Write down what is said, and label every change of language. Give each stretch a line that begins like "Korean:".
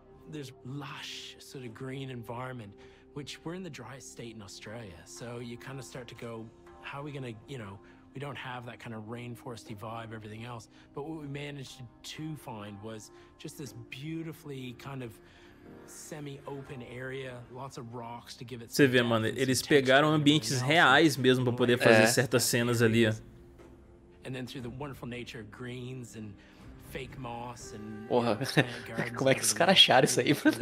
English: There's lush sort of green environment, which we're in the driest state in Australia. So you kind of start to go, how are we gonna, you know, we don't have that kind of rainforesty vibe, everything else. But what we managed to find was just this beautifully kind of semi-open area, lots of rocks to give it.
Portuguese: Você vê, mano, eles pegaram ambientes reais mesmo para poder fazer certas cenas ali.
English: And then through the wonderful nature of greens and fake moss and.
Portuguese: Porra, como é que os caras acharam isso aí?